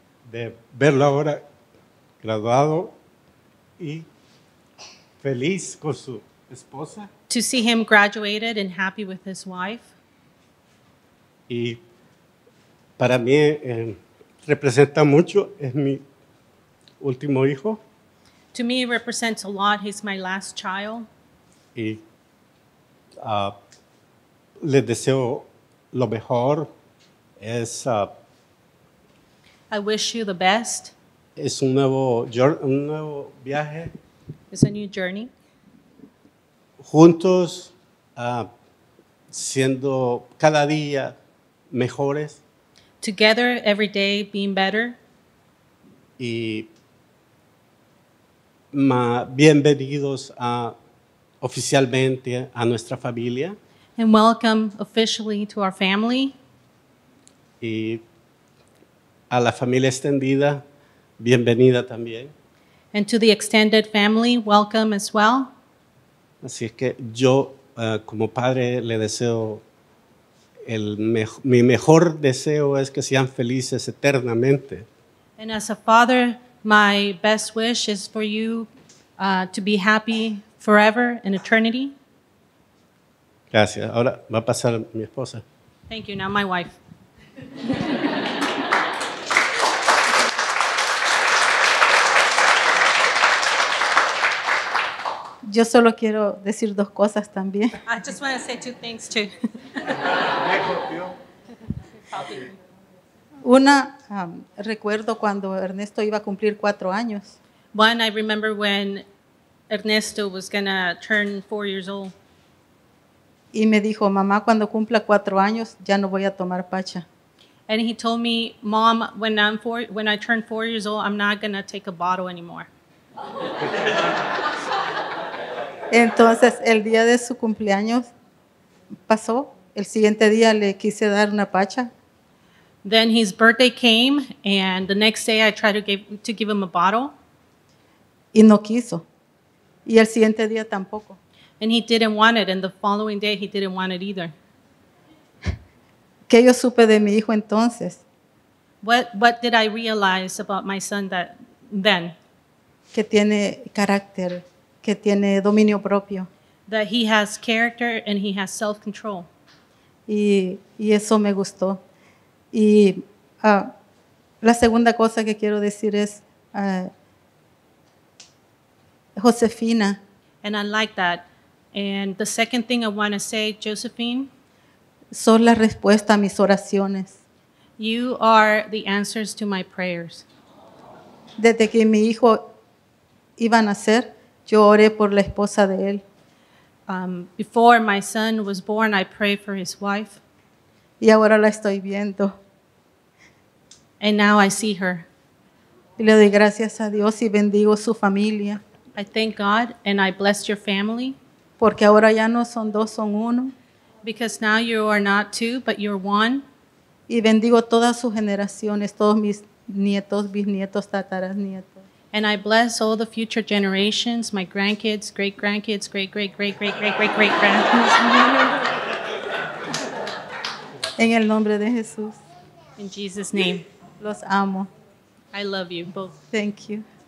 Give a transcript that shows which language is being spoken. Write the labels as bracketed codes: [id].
[es] de verlo ahora graduado y feliz con su esposa. [en] To see him graduated and happy with his wife. [es] Y para mí representa mucho, es mi último hijo. [en] To me, it represents a lot. He's my last child. [es] Y les deseo lo mejor. Es, [en] I wish you the best. [es] Es un nuevo viaje. [en] It's a new journey. [es] Juntos, siendo cada día mejores. [en] Together, every day, being better. [es] Y bienvenidos oficialmente a nuestra familia. [en] And welcome officially to our family. [es] Y a la familia extendida, bienvenida también. [en] And to the extended family, welcome as well. [es] Así es que yo, como padre, le deseo mi mejor deseo es que sean felices eternamente. [en] And as a father, my best wish is for you to be happy forever in eternity. [es] Gracias. Ahora va a pasar mi esposa. [en] Thank you. Now my wife. [es] Yo solo quiero decir dos cosas también. [en] I just want to say two things too. [es] Una, recuerdo cuando Ernesto iba a cumplir 4 años. [en] One, I remember when Ernesto was going to turn 4 years old. [es] Y me dijo, mamá, cuando cumpla 4 años, ya no voy a tomar pacha. [en] And he told me, mom, when I turn 4 years old, I'm not going to take a bottle anymore. [es] Entonces, el día de su cumpleaños pasó. El siguiente día le quise dar una pacha. [en] Then his birthday came, and the next day I tried to give him a bottle. [es] Y no quiso. Y el siguiente día tampoco. [en] And he didn't want it, and the following day he didn't want it either. [es] ¿Qué yo supe de mi hijo entonces? [en] What did I realize about my son that then? [es] Que tiene carácter, que tiene dominio propio. [en] That he has character and he has self-control. [es] Y eso me gustó. Y la segunda cosa que quiero decir es Josefina. [en] And I like that. And the second thing I want to say, Josephine. [es] Son la respuesta a mis oraciones. [en] You are the answers to my prayers. [es] Desde que mi hijo iba a nacer, yo oré por la esposa de él. [en] Before my son was born, I prayed for his wife. [es] Y ahora la estoy viendo. [en] And now I see her. [es] Y le doy gracias a Dios y bendigo su familia. [en] I thank God and I bless your family. [es] Porque ahora ya no son dos, son uno. [en] Because now you are not two, but you're one. [es] Y bendigo todas sus generaciones, todos mis nietos, bisnietos, tataranietos. [en] And I bless all the future generations, my grandkids, great-grandkids, great-great-great-great-great-great-great-grandkids. [es] En el nombre de Jesús. [en] In Jesus' name. [es] Los amo. [en] I love you both. Thank you.